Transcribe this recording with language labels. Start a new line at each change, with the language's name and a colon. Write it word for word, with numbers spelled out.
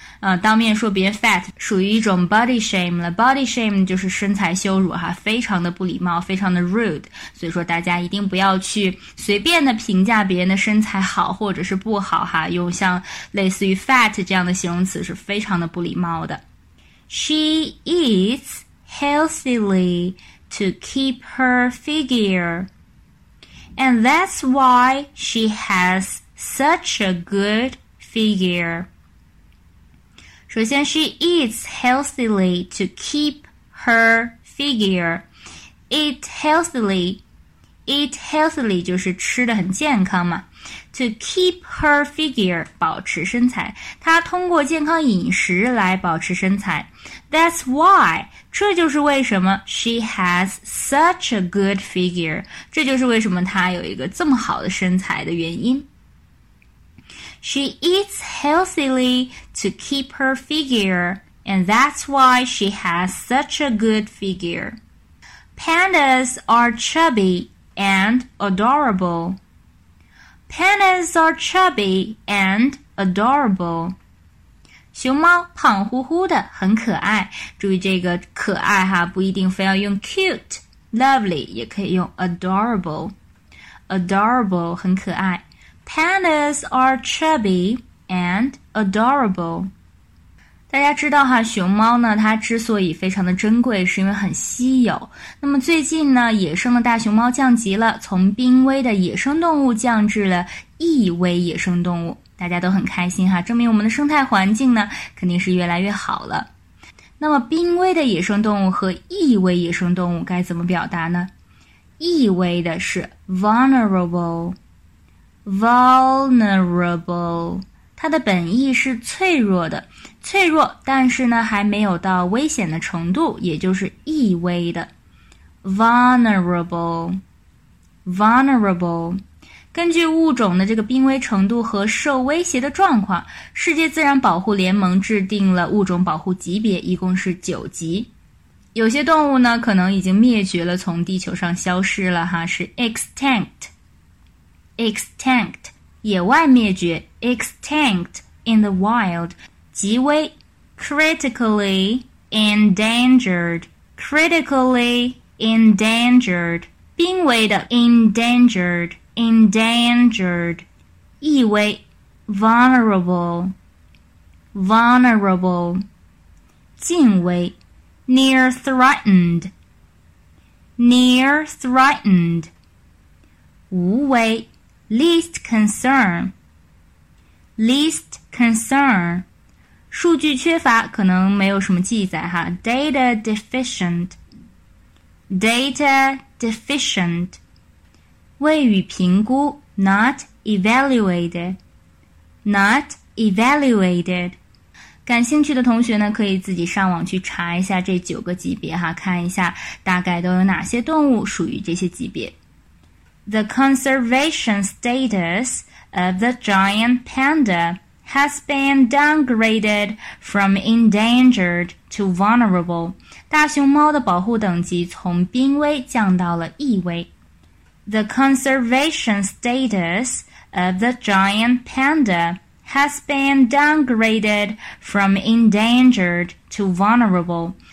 Chinese: 呃，当面说别人 fat 属于一种 body shame 了。body shame 就是身材羞辱哈，非常的不礼貌，非常的 rude。所以说大家一定不要去随便的评价别人的身材好或者是不好哈，用像类似于 fat 这样的形容词是非常的不礼貌的。
English: She eats healthily to keep her figure. And that's why she has such a good figure.
Chinese: 首先
English: she eats healthily to keep her figure. Eat healthily. Eat healthily
Chinese: 就是吃得很健康嘛。
English: To keep her figure
Chinese: 保持身材，她通过健康饮食来保持身材。
English: That's why
Chinese: 这就是为什么
English: she has such a good figure
Chinese: 这就是为什么她有一个这么好的身材的原因。
English: She eats healthily to keep her figure, and that's why she has such a good figure. Pandas are chubby and adorable. Pandas are chubby and adorable.
Chinese: 熊猫胖乎乎的，很可爱。注意这个可爱哈，不一定非要用 cute, lovely 也可以用 adorable. Adorable 很可爱。
English: Pandas are chubby and adorable.
Chinese: 大家知道哈，熊猫呢，它之所以非常的珍贵，是因为很稀有。那么最近呢，野生的大熊猫降级了，从濒危的野生动物降至了易危野生动物，大家都很开心哈，证明我们的生态环境呢，肯定是越来越好了。那么濒危的野生动物和易危野生动物该怎么表达呢？易危的是 vulnerable。vulnerable 它的本意是脆弱的，脆弱但是呢还没有到危险的程度，也就是易危的。 vulnerable vulnerable 根据物种的这个濒危程度和受威胁的状况，世界自然保护联盟制定了物种保护级别，一共是九级。有些动物呢可能已经灭绝了，从地球上消失了哈，是 extinct。
English: extinct
Chinese: 野外灭绝，
English: extinct in the wild
Chinese: 极危。
English: critically endangered critically endangered
Chinese: 濒危的
English: endangered endangered
Chinese: 易危。
English: vulnerable vulnerable
Chinese: 近危。
English: near threatened near threatened
Chinese: 无危。
English: Least concern, least concern.
Chinese: 数据缺乏，可能没有什么记载哈。
English: Data deficient, data deficient.
Chinese: 未予评估
English: ，not evaluated, not evaluated.
Chinese: 感兴趣的同学呢，可以自己上网去查一下这九个级别哈，看一下大概都有哪些动物属于这些级别。
English: The conservation status of the giant panda has been downgraded from endangered to vulnerable.
Chinese: 大熊猫的保护等级从濒危降到了易危。
English: The conservation status of the giant panda has been downgraded from endangered to vulnerable.